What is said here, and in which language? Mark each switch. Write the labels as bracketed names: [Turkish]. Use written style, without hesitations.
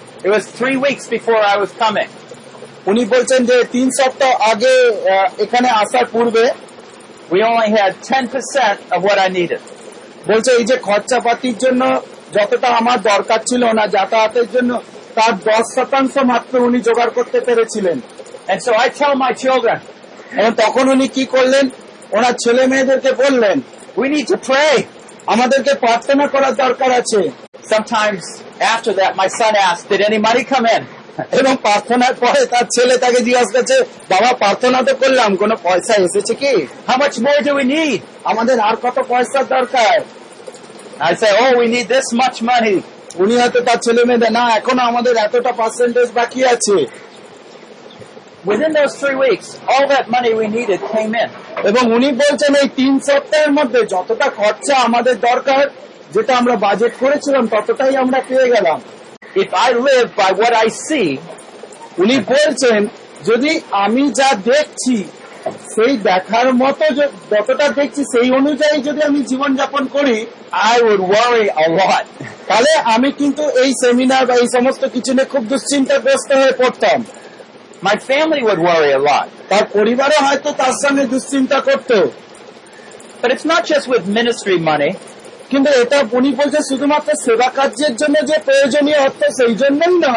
[English] It was 3 weeks before I was coming. [Bangla] উনি বলছেন যে 3 সপ্তাহ আগে এখানে আসার পূর্বে [English] we only had 10% of what I needed. [Bangla] বলছে এই যে খরচাপাতির জন্য যতটা আমার দরকার ছিল না, যাতায়াতের জন্য তার 10% মাত্র উনি জোগাড় করতে পেরেছিলেন। [English] And so I tell my children. [Bangla] এবং তখন উনি কি করলেন, ওনার ছেলে মেয়েদেরকে বললেন, [English] we need to pray. [Bangla] আমাদেরকে প্রার্থনা করার দরকার আছে। [English] Sometimes after that my son asked, did any money come in? [Bangla] এবং প্রার্থনার পরে তার ছেলে তাকে জিজ্ঞাসা করছে, বাবা প্রার্থনা তো করলাম, কোন পয়সা এসেছে কি? [English] How much more do we need? [Bangla] আমাদের আর কত পয়সার দরকার? [English] I say, oh, we need this much money. [Bangla] উনি হয়তো তার ছেলে মেয়েদের, না এখন আমাদের এতটা পার্সেন্টেজ বাকি আছে। [English] Within those 3 weeks, all that money we needed came in. [Bangla] এবং উনি বলছেন এই 3 সপ্তাহের মধ্যে যতটা খরচা আমাদের দরকার, যেটা আমরা বাজেট করেছিলাম, ততটাই আমরা পেয়ে গেলাম। [English] If I live by what I see, [Bangla] উনি বলছেন যদি আমি যা দেখছি সেই দেখার মতো যতটা দেখছি সেই অনুযায়ী যদি আমি জীবন যাপন করি, [English] I would worry a lot. [Bangla] তাহলে আমি কিন্তু এই সেমিনার বা এই সমস্ত কিছু নিয়ে খুব দুশ্চিন্তাগ্রস্ত হয়ে পড়তাম। [English] My family would worry a lot. [Bangla] তার পরিবারে হয়তো তার সঙ্গে দুশ্চিন্তা করত। [English] But it's not just with ministry money. [Bangla] কিন্তু এটা উনি বলছে শুধুমাত্র সেবা কার্যের জন্য যে প্রয়োজনীয় অর্থ সেই জন্যই